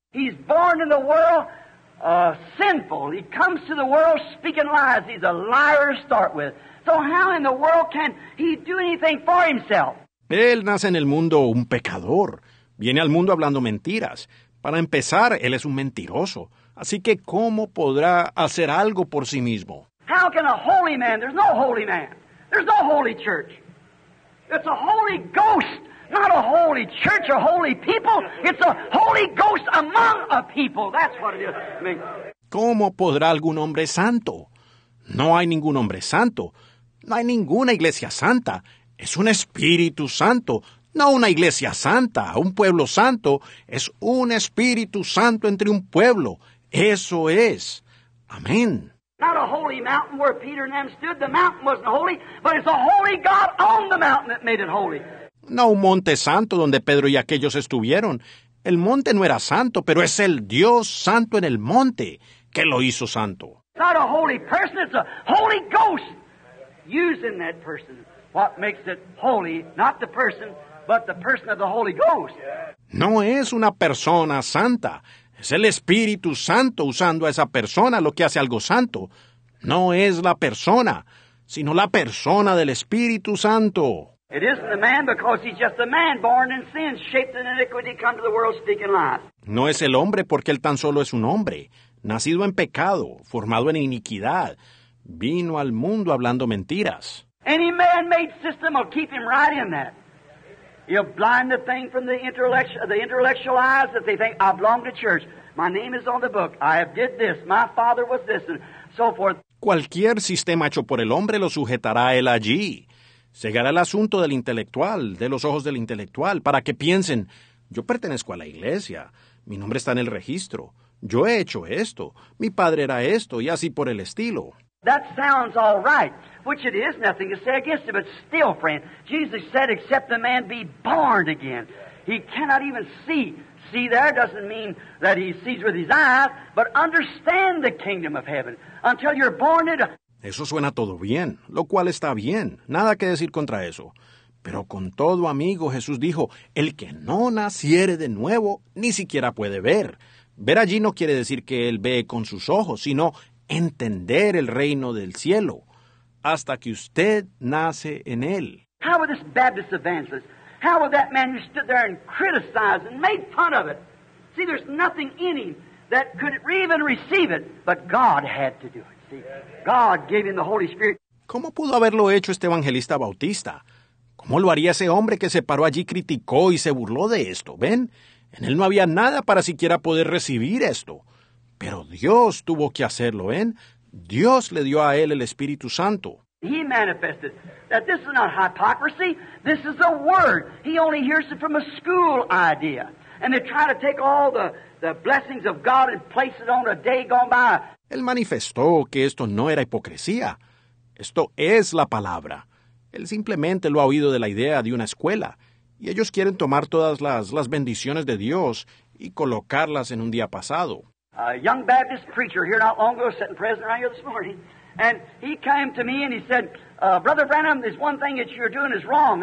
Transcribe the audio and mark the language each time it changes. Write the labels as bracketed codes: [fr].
[en] He's born in the world sinful. He comes to the world speaking lies. He's a liar to start with. So how in the world can he do anything for himself? [es] Él nace en el mundo un pecador. Viene al mundo hablando mentiras. Para empezar, él es un mentiroso. Así que, ¿cómo podrá hacer algo por sí mismo? [en] How can a holy man? There's no holy man. There's no holy church. It's a holy ghost. Not a holy church, a holy people. It's a holy ghost among a people. That's what it is. I mean. [es] ¿Cómo podrá algún hombre santo? No hay ningún hombre santo. No hay ninguna iglesia santa. Es un espíritu santo. No una iglesia santa. Un pueblo santo es un espíritu santo entre un pueblo. Eso es. Amén. [en] Not a holy mountain where Peter and them stood. The mountain wasn't holy, but it's a holy God on the mountain that made it holy. [es] No un monte santo donde Pedro y aquellos estuvieron. El monte no era santo, pero es el Dios santo en el monte que lo hizo santo. [en] It's not a holy person, it's a holy ghost using that person. What makes it holy, not the person, but the person of the Holy Ghost. [es] No es una persona santa. Es el Espíritu Santo usando a esa persona lo que hace algo santo. No es la persona, sino la persona del Espíritu Santo. [en] It isn't the man because he's just a man born in sin, shaped in iniquity, come to the world speaking lies. [es] No es el hombre porque él tan solo es un hombre, nacido en pecado, formado en iniquidad, vino al mundo hablando mentiras. [en] Any man-made system will keep him right in that. He'll blind the thing from the intellectual eyes that they think, I belong to church, my name is on the book, I have did this, my father was this, and so forth. [es] Cualquier sistema hecho por el hombre lo sujetará a él allí. Llegará el asunto del intelectual, de los ojos del intelectual, para que piensen, yo pertenezco a la iglesia, mi nombre está en el registro, yo he hecho esto, mi padre era esto, y así por el estilo. [en] That sounds all right, which it is nothing to say against it, but still, friend, Jesus said, except the man be born again, he cannot even see see there doesn't mean that he sees with his eyes, but understand the kingdom of heaven until you're born into. [es] Eso suena todo bien, lo cual está bien. Nada que decir contra eso. Pero con todo, amigo, Jesús dijo, el que no naciere de nuevo, ni siquiera puede ver. Ver allí no quiere decir que él ve con sus ojos, sino entender el reino del cielo hasta que usted nace en él. [en] How would this Baptist evangelist, how would that man who stood there and criticized and made fun of it? See, there's nothing in him that could even receive it, but God had to do it. See, God gave him the Holy Spirit. [es] ¿Cómo pudo haberlo hecho este evangelista bautista? ¿Cómo lo haría ese hombre que se paró allí, criticó y se burló de esto? ¿Ven? En él no había nada para siquiera poder recibir esto. Pero Dios tuvo que hacerlo, ¿ven? Dios le dio a él el Espíritu Santo. [en] He manifested that this is not hypocrisy. This is the Word. He only hears it from a school idea. And they try to take all the blessings of God and place it on a day gone by. [es] Él manifestó que esto no era hipocresía. Esto es la palabra. Él simplemente lo ha oído de la idea de una escuela. Y ellos quieren tomar todas las bendiciones de Dios y colocarlas en un día pasado. [en] A young Baptist preacher here not long ago, sitting present right here this morning, and he came to me and he said, Brother Branham, there's one thing that you're doing is wrong.